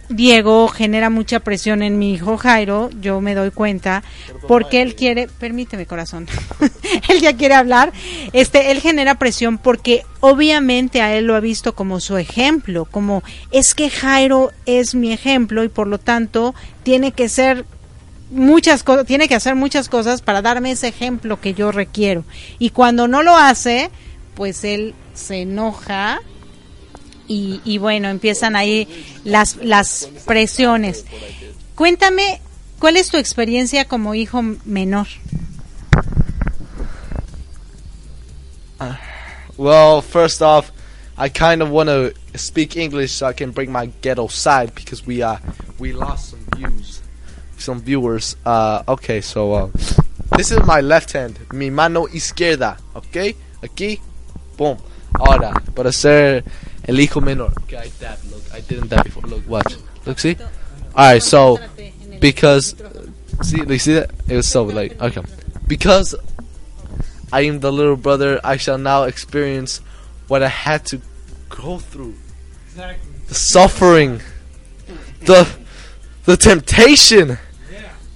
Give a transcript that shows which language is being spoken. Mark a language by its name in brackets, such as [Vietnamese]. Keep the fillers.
[Spanish] Diego genera mucha presión en mi hijo Jairo, yo me doy cuenta, porque él quiere, permíteme corazón, él ya quiere hablar, este, él genera presión porque obviamente a él lo ha visto como su ejemplo, como es que Jairo es mi ejemplo y por lo tanto tiene que ser muchas cosas, tiene que hacer muchas cosas para darme ese ejemplo que yo requiero. Y cuando no lo hace, pues él se enoja y, y bueno, empiezan ahí las, las presiones. Cuéntame, ¿cuál es tu experiencia como hijo menor? [English] Uh, well, first off, I kind of want to speak English so I can bring my ghetto side because we uh, we lost some views. some viewers. Uh, okay, so uh, this is my left hand, [Spanish] mi mano izquierda. Okay, aquí, boom. Ahora, para ser el hijo menor. [English] Okay, I dab. Look, I didn't dab before. Look, watch. Look, see. All right, so because see, you see that it was so like okay, because I am the little brother. I shall now experience what I had to go through. The suffering. The the temptation, yeah.